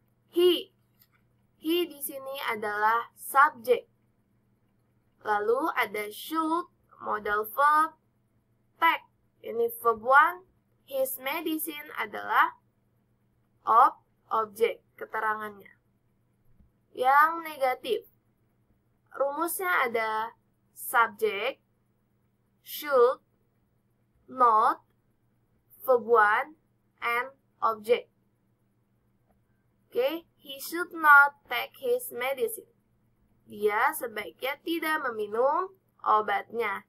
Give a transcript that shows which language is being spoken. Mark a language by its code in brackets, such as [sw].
[id] He di sini adalah subject. Lalu ada should, modal verb, pack. Ini verb one. [en] His medicine [id] adalah object, keterangannya. Yang negatif. Rumusnya ada subject, should, not, verb one, and object. [en] Okay, he should not take his medicine. [id] Dia sebaiknya tidak meminum obatnya.